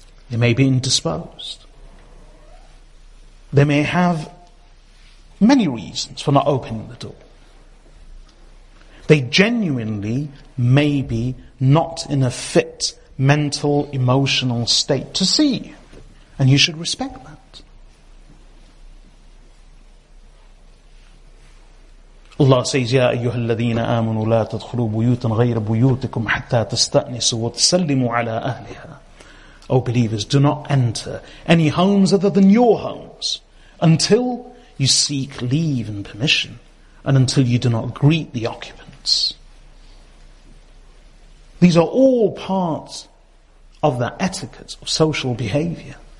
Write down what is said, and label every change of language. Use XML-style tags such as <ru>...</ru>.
<en>They may be indisposed. They may have many reasons for not opening the door. They genuinely may be not in a fit mental, emotional state to see you. And you should respect that. Allah says,</en> <ar>يَا أَيُّهَا الَّذِينَ آمَنُوا لَا تَدْخُلُوا بُيُوتًا غَيْرَ بُيُوتِكُمْ حَتَّى تَسْتَأْنِسُوا وَتَسَلِّمُوا عَلَىٰ أَهْلِهَا.</ar> <en>O believers, do not enter any homes other than your homes until you seek leave and permission and until you do not greet the occupants. These are all parts of the etiquette of social behavior.</en>